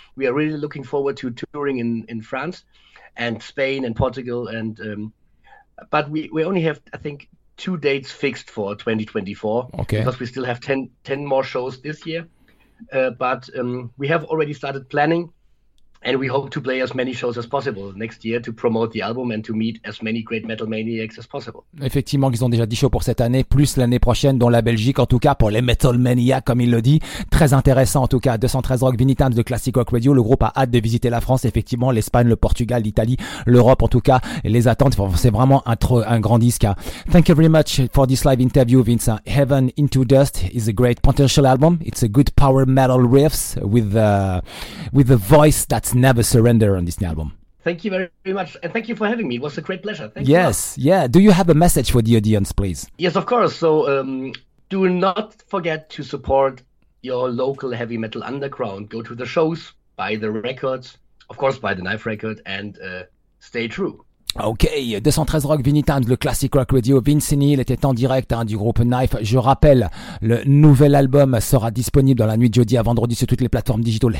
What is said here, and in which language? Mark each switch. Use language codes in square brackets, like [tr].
[en] We are really looking forward to touring in France and Spain and Portugal, and but we only have, I think, 2 dates fixed for 2024. Okay. Because we still have 10 more shows this year. But we have already started planning, and we hope to play as many shows as possible next year to promote the album and to meet as many great metal maniacs as possible. [fr] Effectivement, ils ont déjà 10 shows pour cette année, plus l'année prochaine, dont la Belgique, en tout cas, pour les metal maniacs, comme il le dit. Très intéressant, en tout cas. 213 Rock, Vinny Times de Classic Rock Radio. Le groupe a hâte de visiter la France, effectivement, l'Espagne, le Portugal, l'Italie, l'Europe, en tout cas, les attentes. C'est vraiment un grand disque. Hein. [en] Thank you very much for this live interview, Vince. Heaven Into Dust is a great potential album. It's a good power metal riffs with a voice that Never Surrender on this album. Thank you very much, and thank you for having me. It was a great pleasure. Thank yes you. Yeah, do you have a message for the audience, please? Yes, of course. So do not forget to support your local heavy metal underground. Go to the shows, buy the records, of course buy the Knife record, and stay true. [fr] Okay, 213 Rock, Vinny Times, le Classic Rock Radio. Vince Neil était en direct du groupe Knife. Je rappelle, le nouvel album sera disponible dans la nuit de jeudi à vendredi sur toutes les plateformes digitales.